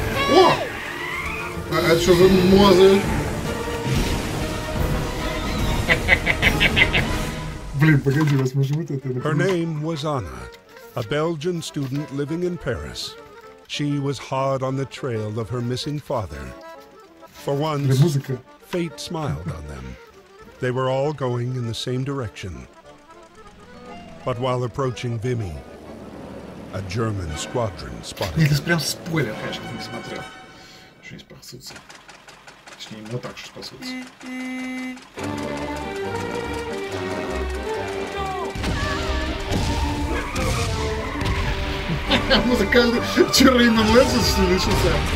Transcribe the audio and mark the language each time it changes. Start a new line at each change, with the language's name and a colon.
Russian: О! А это что за мозы? Блин, погоди, вас может вот это.
English: Her name was Anna, a Belgian student living in Paris. She was hard on the trail of her missing father. For once, fate smiled on them. They were all going in the same direction. But while approaching Vimy, a German squadron spotted.
Russian: Нет, это прям спойлер, конечно, не смотрел. Что не спасутся. Точнее, именно так, что спасутся. Музыкальный черный месседж, что ли, начался.